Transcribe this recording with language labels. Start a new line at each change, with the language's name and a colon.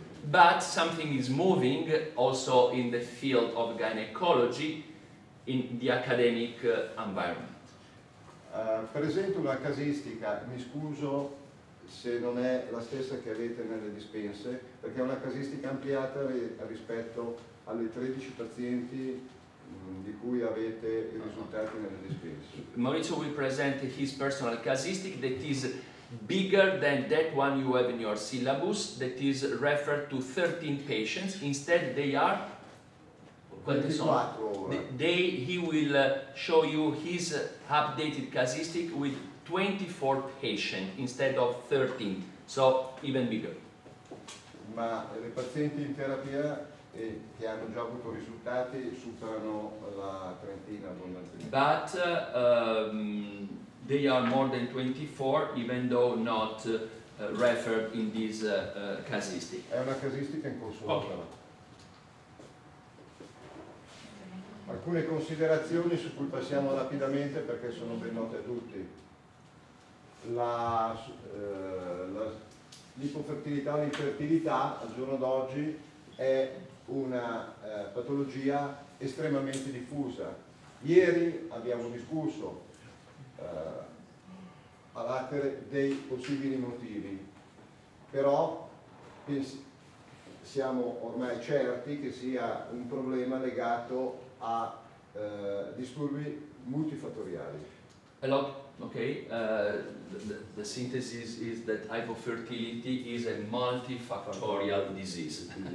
English: But something is moving also in the field of gynecology in the academic environment.
Italian: Presento una casistica, mi scuso se non è la stessa che avete nelle dispense, perché è una casistica ampliata rispetto alle 13 pazienti di cui avete i risultati nelle dispense.
English: Maurizio will present his personal casistic that is bigger than that one you have in your syllabus, that is referred to 13 patients. Instead, they are 24. He will show you his updated casistic with 24 patients instead of 13, so even bigger.
Italian: Ma le pazienti in terapia che hanno già avuto risultati superano la trentina abbondantemente.
English: But they are more than 24, even though not referred in this casistic.
Italian: È una casistica in corso. Okay. Alcune considerazioni su cui passiamo rapidamente perché sono ben note a tutti. La l'ipofertilità, l'infertilità al giorno d'oggi è una patologia estremamente diffusa. Ieri abbiamo discusso all'altere dei possibili motivi, però siamo ormai certi che sia un problema legato a disturbi multifattoriali.
English: Okay, the synthesis is that hypofertility is a multifactorial disease.